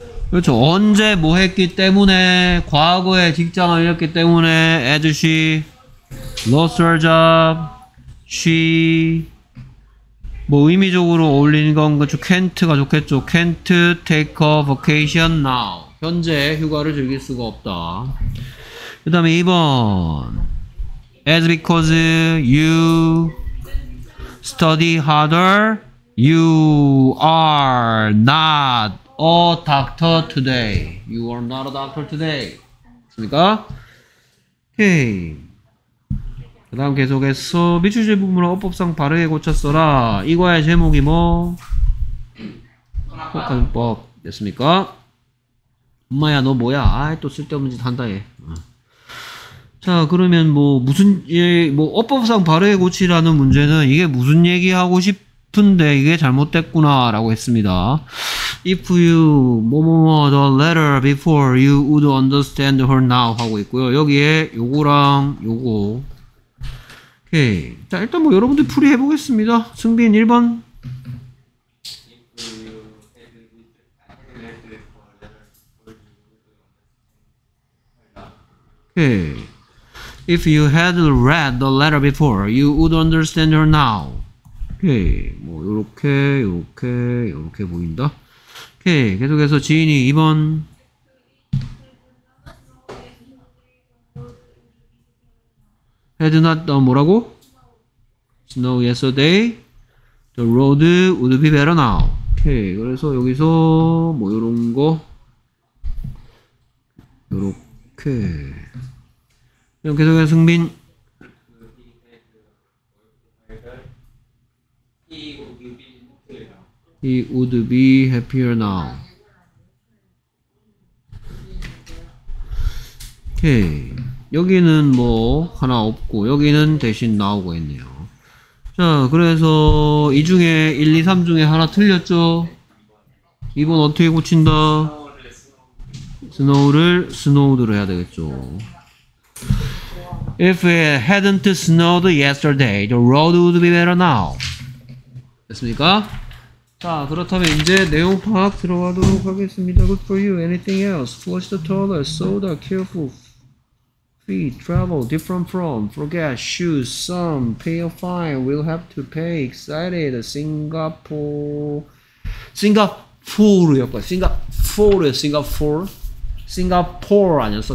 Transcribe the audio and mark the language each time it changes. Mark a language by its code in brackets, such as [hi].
[ko] 그렇죠. 언제 뭐 했기 때문에, 과거에 직장을 잃었기 때문에, [en] as she lost her job, she, [ko] 뭐 의미적으로 어울리는 건, 그렇죠. [en] can't가 [ko] 좋겠죠. [en] can't take a vacation now. [ko] 현재 휴가를 즐길 수가 없다. 그 다음에 2번. [en] as because you study harder, you are not a doctor today. You are not a doctor today. [ko] 됐습니까? 오케이. 그 다음 계속해서 미출제 부분을 어법상 바르게 고쳤어라. 이과의 제목이 뭐? 혼합가정법. 됐습니까? 엄마야 너 뭐야? 아이, 또 쓸데없는 짓 한다 해. 자, 그러면 뭐 무슨 뭐 어법상 바르게 고치라는 문제는 이게 무슨 얘기하고 싶 근데 이게 잘못됐구나 라고 했습니다. [en] If you [ko] 뭐뭐뭐 [en] the letter before you would understand her now [ko] 하고 있고요. 여기에 요거랑 요거. 오케이. 자, 일단 뭐 여러분들 풀이 해보겠습니다. 승빈 1번. [en] Okay. If you had read the letter before you would understand her now. [ko] 오케이. 뭐 요렇게 요렇게 요렇게 보인다. 오케이. 계속해서 지인이 2번. 뭐라고? [en] Snow yesterday. The road would be better now. [ko] 오케이. 그래서 여기서 뭐 요런 거 요렇게. 그럼 계속해서 승빈. [en] He would be happier now. Okay. [ko] 여기는 뭐 하나 없고 여기는 대신 나오고 있네요. 자, 그래서 이 중에 1, 2, 3 중에 하나 틀렸죠? 이번 어떻게 고친다? 스노우를 스노우드로 해야 되겠죠. [en] If it hadn't snowed yesterday, the road would be better now. [ko] 됐습니까? 자, 그렇다면 이제 내용 파악 들어가도록 하겠습니다. [en] Good for you. Anything else? Flush the toilet, soda, careful, feet, travel, different from, forget, shoes, some, pay a fine, will have to pay, excited, Singapore, Singapore [ko] 아니었어?